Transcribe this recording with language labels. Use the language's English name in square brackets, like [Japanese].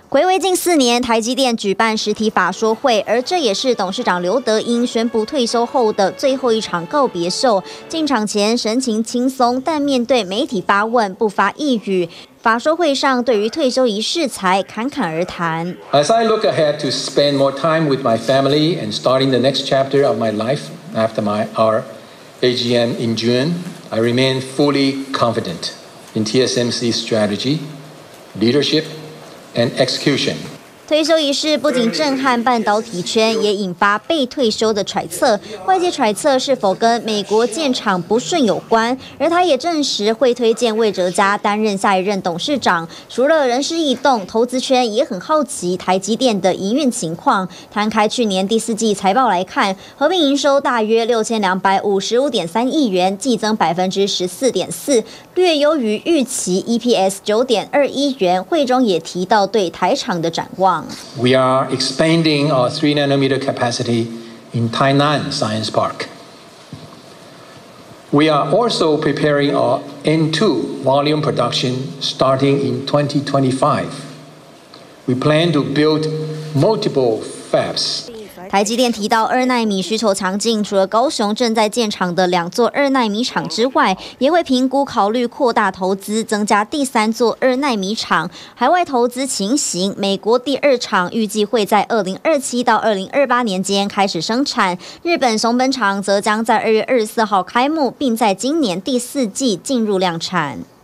[Chinese] 暌违近4年，台积电举办实体法说会，而这也是董事长刘德英宣布退休后的最后一场告别秀。进场前神情轻松，但面对媒体发问不发一语。法说会上对于退休仪式才侃侃而谈。 [English] As I look ahead to spend more time with my family and starting the next chapter of my life after my AGM in June, I remain fully confident in TSMC's strategy, leadership, and execution. [Chinese] 退休仪式不仅震撼半导体圈，也引发被退休的揣测。外界揣测是否跟美国建厂不顺有关，而他也证实会推荐魏哲嘉担任下一任董事长。除了人事异动，投资圈也很好奇台积电的营运情况。摊开去年第四季财报来看，合并营收大约6255.3亿元，季增14.4%。略优于预期 EPS 9.21元。会中也提到对台厂的展望。 [English] We are expanding our 3-nanometer capacity in Tainan Science Park. We are also preparing our N2 volume production starting in 2025. We plan to build multiple fabs. [Chinese] 台积电提到2纳米需求强劲，除了高雄正在建厂的2座2纳米厂之外，也会评估考虑扩大投资，增加第3座2纳米厂。海外投资情形，美国第二厂预计会在2027到2028年间开始生产，日本熊本厂则将在2月24号开幕，并在今年第四季进入量产。